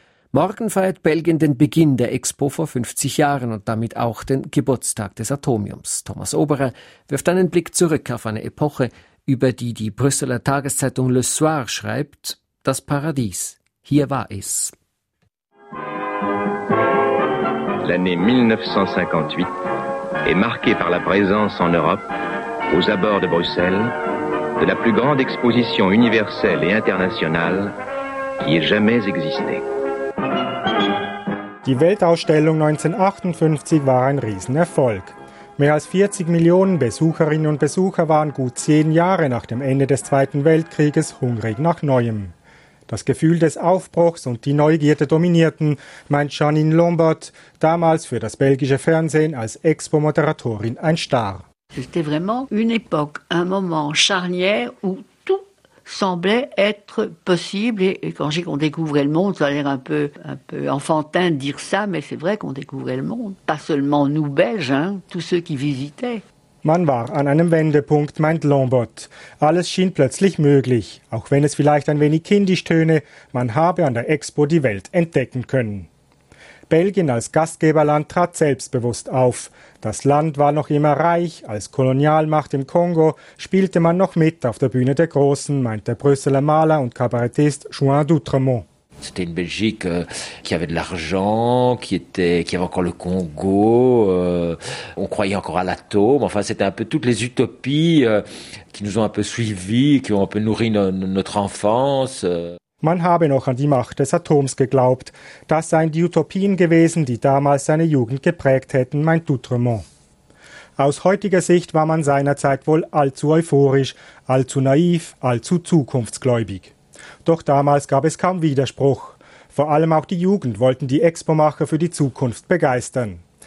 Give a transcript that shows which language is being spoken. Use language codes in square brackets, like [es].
[de] Morgen feiert Belgien den Beginn der Expo vor 50 Jahren und damit auch den Geburtstag des Atomiums. Thomas Oberer wirft einen Blick zurück auf eine Epoche, über die die Brüsseler Tageszeitung Le Soir schreibt: Das Paradies, hier war es. [fr] L'année 1958 est marquée par la présence en Europe, aux abords de Bruxelles, de la plus grande exposition universelle et internationale qui ait jamais existé. [de] Die Weltausstellung 1958 war ein Riesenerfolg. Mehr als 40 Millionen Besucherinnen und Besucher waren gut 10 Jahre nach dem Ende des Zweiten Weltkrieges hungrig nach Neuem. Das Gefühl des Aufbruchs und die Neugierde dominierten, meint Janine Lombard, damals für das belgische Fernsehen als Expo-Moderatorin ein Star. [fr] C'était vraiment une époque, un moment charnière où tout semblait être possible. Et quand j'ai qu'on découvrait le monde, ça a l'air un peu enfantin de dire ça, mais c'est vrai qu'on découvrait le monde. Pas seulement nous Belges, hein, tous ceux qui visitaient. [de] Man war an einem Wendepunkt, meint Lombard. Alles schien plötzlich möglich, auch wenn es vielleicht ein wenig kindisch töne, man habe an der Expo die Welt entdecken können. Belgien als Gastgeberland trat selbstbewusst auf. Das Land war noch immer reich, als Kolonialmacht im Kongo spielte man noch mit auf der Bühne der Großen, meint der Brüsseler Maler und Kabarettist Juan Doutremont. [fr] C'était une Belgique qui avait de l'argent, qui avait encore le Congo, on croyait encore à l'atome. Enfin, c'était un peu toutes les utopies qui nous ont un peu suivis, qui ont un peu nourri notre enfance. [de] Man habe noch an die Macht des Atoms geglaubt. Das seien die Utopien gewesen, die damals seine Jugend geprägt hätten, meint Doutremont. Aus heutiger Sicht war man seinerzeit wohl allzu euphorisch, allzu naiv, allzu zukunftsgläubig. Doch damals gab es kaum Widerspruch. Vor allem auch die Jugend wollten die Expomacher für die Zukunft begeistern.